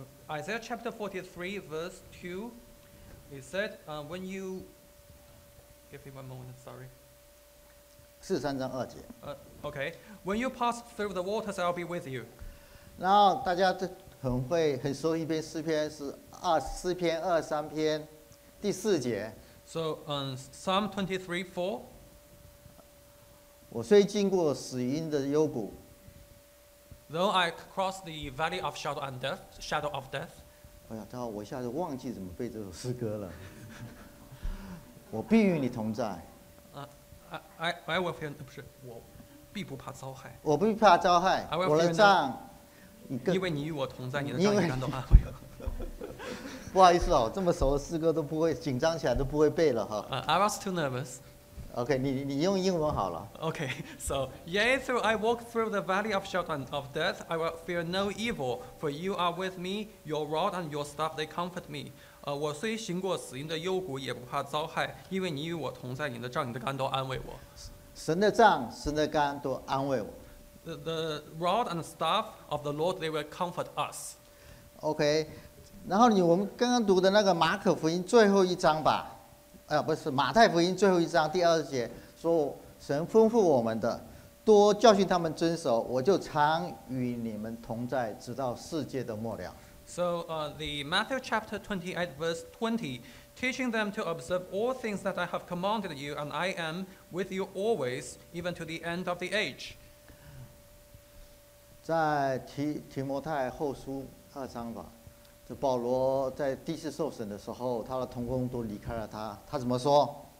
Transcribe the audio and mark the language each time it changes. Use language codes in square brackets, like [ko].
[en] Isaiah chapter 43, verse 2, it said, when you give me one moment, sorry. [zh] 四十三章二节。 [en] Okay, when you pass through the waters, I'll be with you. [zh] 然后大家很会很熟一篇诗篇是二十四篇二三篇第四节。 [en] So, Psalm 23:4. [zh] 我虽经过死荫的幽谷。 [en] Though I cross the valley of shadow and death, shadow of death. [zh] 哎呀，我一下子忘记怎么背这首诗歌了。我必与你同在。 [en] I will fear [zh] 不是我必不怕遭害。我不怕遭害。我的杖。因为你与我同在，你的杖也感动安慰我。不好意思哦，这么熟的诗歌都不会紧张起来都不会背了哈。 [en] I was too nervous. [zh] Okay, 你用英文好了。 [en] Okay, so yea, though I walk through the valley of shadow of death, I will fear no evil, for you are with me. Your rod and your staff they comfort me. [zh] 我虽行过死荫的幽谷，也不怕遭害，因为你与我同在，你的杖、你的竿都安慰我。神的杖、神的竿都安慰我。 [en] The rod and staff of the Lord, they will comfort us. [zh] Okay, 然后你我们刚刚读的那个马可福音最后一章吧，不是马太福音最后一章第二节说神吩咐我们的，多教训他们遵守，我就常与你们同在，直到世界的末了。 [en] So, the Matthew chapter 28 verse 20, teaching them to observe all things that I have commanded you, and I am with you always, even to the end of the age. [zh] 在提摩太后书二章吧，这保罗在第四受审的时候，他的同工都离开了他，他怎么说